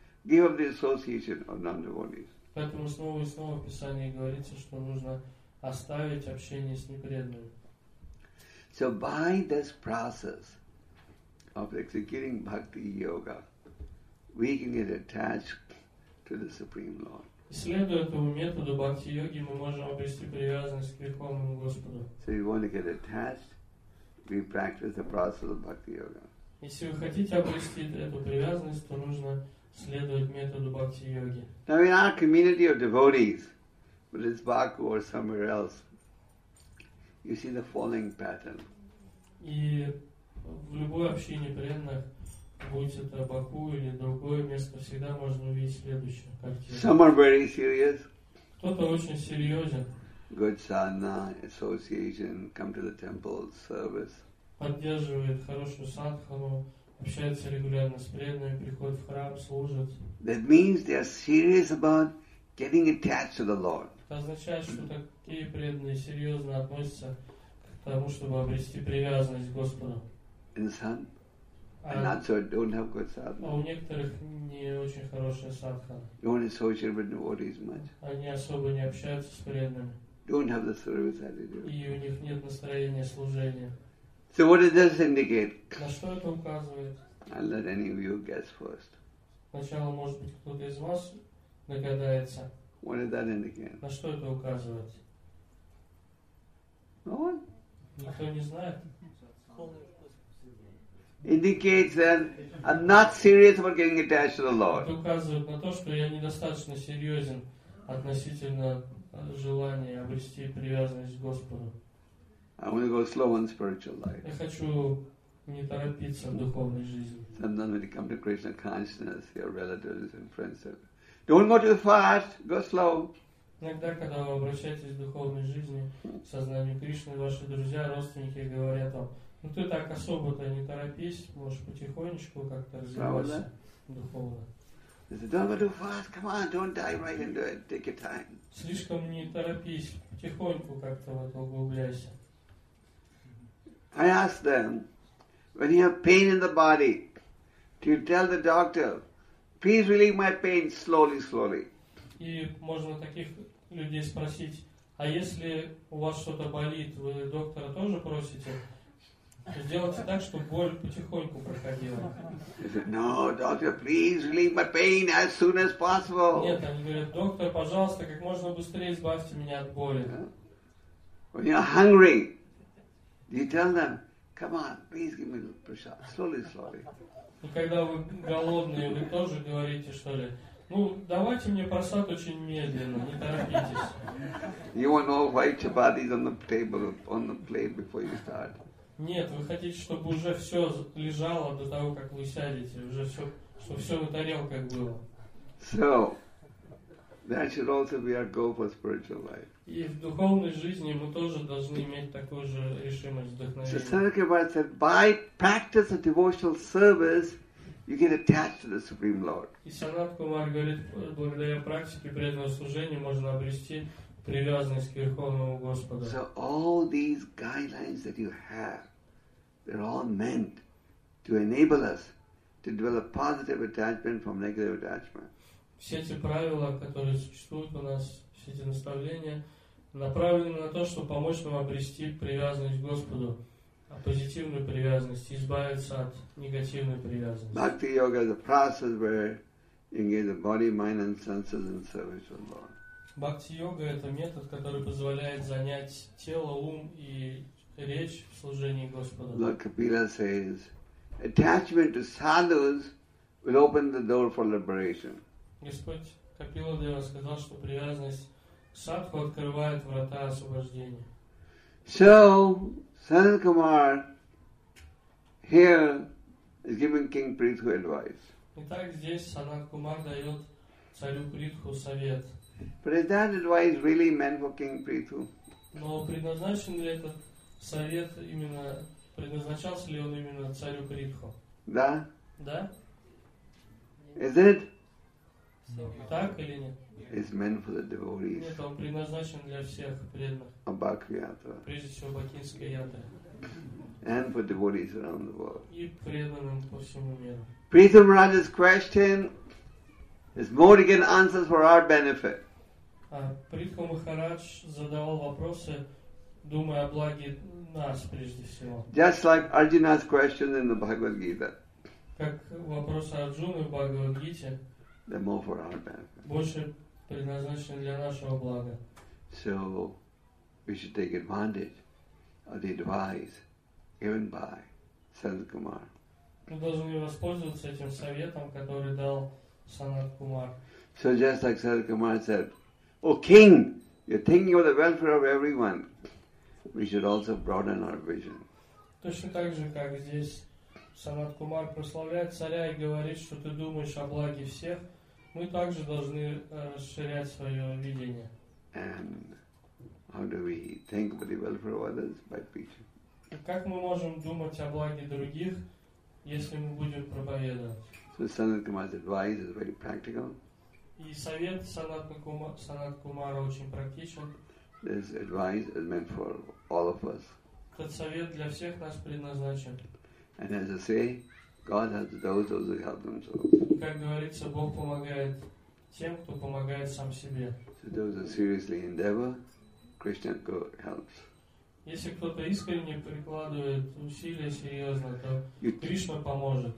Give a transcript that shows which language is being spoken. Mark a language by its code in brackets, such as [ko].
[en] Give up the association of non-devotees. [ru] Поэтому снова и снова в Писании говорится, что нужно оставить общение с непреданными. [en] So by this process of executing bhakti yoga, we can get attached to the Supreme Lord. [ru] Следуя этому методу бхакти йоги, мы можем обрести привязанность к Верховному Господу. [en] So you want to get attached? We practice the process of bhakti yoga. [ru] Если вы хотите обрести эту привязанность, то нужно следовать методу бхакти-йоги. [en] Now in our community of devotees, whether it's Baku or somewhere else, you see the following pattern. [ru] И в любой общине преданных, будь это Баку или другое место, всегда можно увидеть следующую картину. [en] Some are very serious. [ru] Кто-то очень серьезен. [en] Good sadhana association, come to the temple service. [ru] Поддерживает хорошую садхану, общается регулярно с преданными, приходит в храм, служит. [en] That means they are serious about getting attached to the Lord. [ru] Это означает, что такие преданные серьезно относятся к тому, чтобы обрести привязанность к Господу. [en] Understand? And not so, don't have good sadhana. [ru] У некоторых не очень хорошая садхана. [en] You don't associate with devotees much. [ru] Они особо не общаются с преданными. [en] Don't have the service attitude. [ru] И у них нет настроения служения. [en] So what does this indicate? [ru] На что это указывает? [en] I'll let any of you guess first. [ru] Сначала, может быть, кто-то из вас догадается. [en] What does that indicate? [ru] На что это указывает? [en] No one? [ru] Никто не знает. [en] Indicates that I'm not serious about getting attached to the Lord. [ru] Это указывает на то, что я недостаточно серьезен относительно желания обрести привязанность к Господу. [en] I want to go slow on spiritual life. [ru] Я хочу не торопиться в духовной жизни. [en] Sometimes when you come to Krishna consciousness, your relatives and friends say, "Don't go too fast, go slow." [ru] Иногда, когда вы обращаетесь к духовной жизни, сознанию Кришны, ваши друзья, родственники говорят вам: ну ты так особо-то не торопись, можешь потихонечку как-то развиваться духовно. [en] Don't go too fast, come on, don't dive right into it, take your time. [ru] Слишком не торопись, потихоньку как-то вот углубляйся. [en] I ask them, when you have pain in the body, do you tell the doctor, please relieve my pain slowly, slowly? [ru] И можно таких людей спросить, а если у вас что-то болит, вы доктора тоже просите? Сделайте так, чтобы боль потихоньку проходила. [en] No, doctor, please relieve my pain as soon as possible. [ru] Нет, они говорят, доктор, пожалуйста, как можно быстрее избавьте меня от боли. [en] When you are hungry, you tell them, come on, please give me a little prasad. Slowly, slowly. [ru] И когда вы голодные, вы тоже говорите, что ли, ну, давайте мне просад очень медленно, не торопитесь. [en] You want all white chapatis on the table, on the plate before you start. [ru] Нет, вы хотите, чтобы уже все лежало до того, как вы сядете, уже все, чтобы все на тарелках было. [en] So, that should also be our goal for spiritual life. [ru] И в духовной жизни мы тоже должны иметь такую же решимость, вдохновение. [en] So, Sankarabhaja said, by practice of devotional service, you get attached to the Supreme Lord. [ru] И Санат Кумар говорит, благодаря практике преданного служения можно обрести привязанность к Верховному Господу. [en] So all these guidelines that you have, they're all meant to enable us to develop positive attachment from negative attachment. [ru] Все эти правила, которые существуют у нас, все эти наставления, направлены на то, чтобы помочь нам обрести привязанность к Господу, а позитивную привязанность, избавиться от негативной привязанности. [en] Bhakti yoga is a process where you engage the body, mind and senses in service of the Lord. [ru] Бхакти-йога – это метод, который позволяет занять тело, ум и речь в служении Господу. [en] Lord Kapila says, attachment to sadhus will open the door for liberation. [ru] Господь Капила Дева сказал, что привязанность к садху открывает врата освобождения. [en] So, Sanat Kumar here is giving King Prithu advice. [ru] Итак, здесь Санат Кумар дает царю Притху совет. [en] But is that advice really meant for King Prithu? [ru] Но предназначен ли этот совет именно, предназначался ли он именно царю Притху? Да. Да? [en] Is it? [ru] Так или нет? [en] It's meant for the devotees. [ru] Нет, он предназначен для всех преданных. [en] A Bhakti-yatra. [ru] Прежде всего, Бакинская ятра. [en] And for devotees around the world. [ru] И преданным по всему миру. [en] Prithu Maharaja's question, it's more to get answers for our benefit. [ru] Притху Махарадж задавал вопросы, думая о благе нас прежде всего. [en] Just like Arjuna's question in the Bhagavad Gita. [ru] Как вопрос Арджуны в Бхагавад Гите. [en] They're more for our benefit. [ru] Больше предназначен для нашего блага. [en] So we should take advantage of the advice given by Sanat Kumar. [ru] Мы должны воспользоваться этим советом, который дал Sanat Kumar. [en] So just like Sanat Kumar said, "Oh King, you're thinking of the welfare of everyone. We should also broaden our vision." [ru] Точно так же, как здесь Санат Кумар прославляет царя и говорит, что ты думаешь о благе всех, мы также должны расширять свое видение. [en] And how do we think about the welfare of others by preaching? [ru] Как мы можем думать о благе других, если мы будем проповедовать? [en] So Sanat Kumar's advice is very practical. [ru] И совет Санат Кумара очень практичен. [en] This advice is meant for all of us. [ru] Этот совет для всех нас предназначен. [en] And as I say, God helps those who help themselves. [ru] Как говорится, Бог помогает тем, кто помогает сам себе. [en] So those who seriously endeavor, Krishna helps. [ru] Если кто-то искренне прикладывает усилия серьезно, то Кришна поможет.